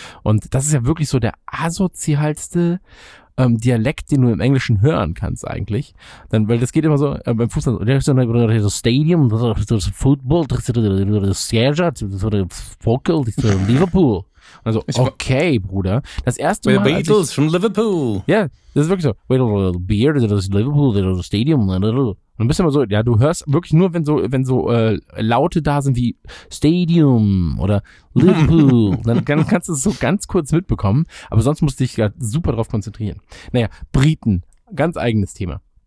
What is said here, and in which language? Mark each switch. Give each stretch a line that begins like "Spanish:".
German: Und das ist ja wirklich so der asozialste Dialekt, den du im Englischen hören kannst eigentlich. Dann, weil das geht immer so beim Fußball. Der ist dann über das Stadium, das Football, das Sierra, das Focal, das Liverpool. Also, okay, Bruder. Das erste Mal.
English: Beatles from Liverpool.
German: Ja, das ist wirklich so.
English: Wait a little beer, there's Liverpool, there's a stadium.
German: Und dann bist du immer so, ja, du hörst wirklich nur, wenn so Laute da sind wie Stadium oder Liverpool. dann kannst du es so ganz kurz mitbekommen. Aber sonst musst du dich ja super drauf konzentrieren. Naja, Briten. Ganz eigenes Thema.